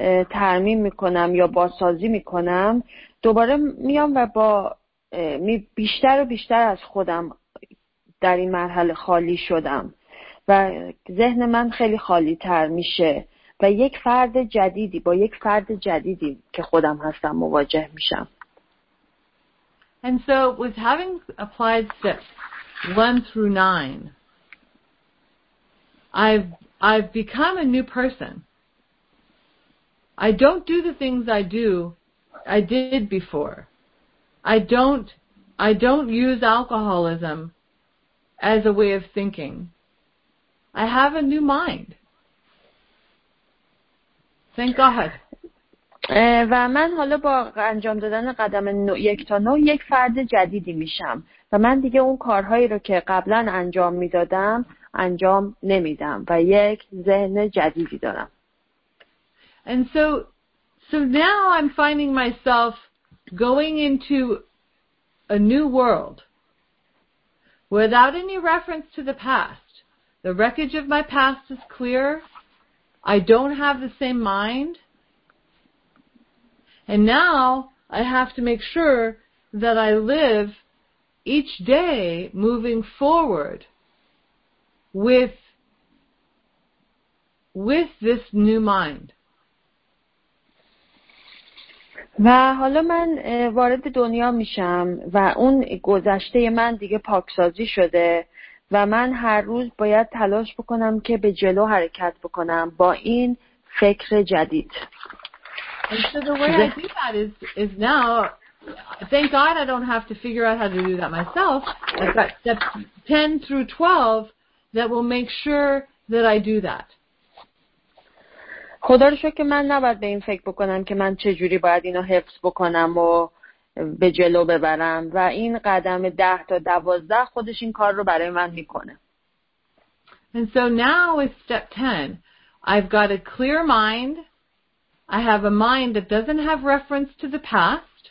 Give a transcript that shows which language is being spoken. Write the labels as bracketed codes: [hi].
[fa] ترمیم میکنم یا بازسازی میکنم دوباره میام و با بیشتر و بیشتر از خودم در این مرحله خالی شدم و ذهن من خیلی خالی تر میشه و یک فرد جدیدی با یک فرد جدیدی که خودم هستم مواجه میشم. [en] And so with having applied steps 1 through 9, I've become a new person. I don't do the things I did before. I don't use alcoholism as a way of thinking. I have a new mind. Thank God. [fa] و من حالا با انجام دادن قدم 1 تا 9 یک فرد جدیدی میشم و من دیگه اون کارهایی رو که قبلا انجام میدادم انجام نمیدم و یک ذهن جدیدی دارم. [en] And so now I'm finding myself going into a new world without any reference to the past. The wreckage of my past is clear. I don't have the same mind. And now I have to make sure that I live each day moving forward with this new mind. [fa] و حالا من وارد دنیا میشم و اون گذشته من دیگه پاکسازی شده و من هر روز باید تلاش بکنم که به جلو حرکت بکنم با این فکر جدید. [en] And so the way I do that is now, thank God I don't have to figure out how to do that myself. I've got steps 10 through 12 that will make sure that I do that. [fa] خدا رو شکر که من نباید به این فکر بکنم که من چجوری باید اینو حفظ بکنم و به جلو ببرم و این قدم 10 تا 12 خودش این کار رو برای من میکنه. [en] And so now with step 10, I've got a clear mind. I have a mind that doesn't have reference to the past.